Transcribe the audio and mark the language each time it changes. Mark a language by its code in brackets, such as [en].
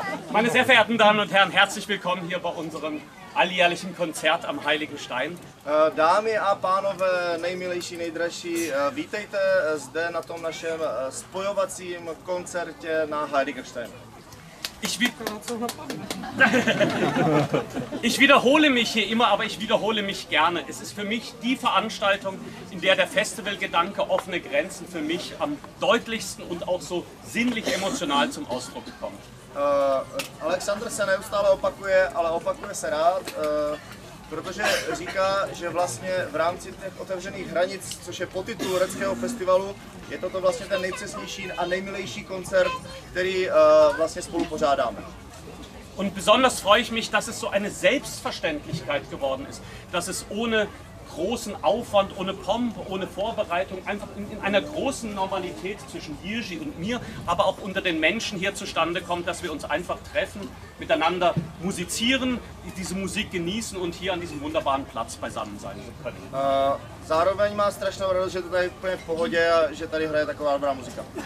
[de] Meine sehr verehrten Damen und Herren, herzlich willkommen hier bei unserem alljährlichen Konzert am Heiligen Stein. [cs] Dámy a pánové, nejmilejší, nejdražší, vítejte zde na tom našem spojovacím koncertě na Heiligenstein. [de] Ich wiederhole mich hier immer, aber ich wiederhole mich gerne. Es ist für mich die Veranstaltung, in der der Festivalgedanke offene Grenzen für mich am deutlichsten und auch so sinnlich emotional zum Ausdruck kommt. [cs] Alexander se neustále opakuje, ale opakuje se rád, protože říká, že vlastně v rámci těch otevřených hranic, což je podtitul Řeckého festivalu, je toto vlastně ten nejpřesnější a nejmilejší koncert, který vlastně spolu pořádáme. [de] Und besonders freue ich mich, dass es so eine Selbstverständlichkeit geworden ist, dass es ohne großen Aufwand, ohne Pomp, ohne Vorbereitung, einfach in einer großen Normalität zwischen Jiří und mir, aber auch unter den Menschen hier zustande kommt, dass wir uns einfach treffen, miteinander musizieren, diese Musik genießen und hier an diesem wunderbaren Platz beisammen sein können. [cs] Zároveň má strašnou radost, že to tady je úplně v pohodě a že tady hraje taková dobrá muzika.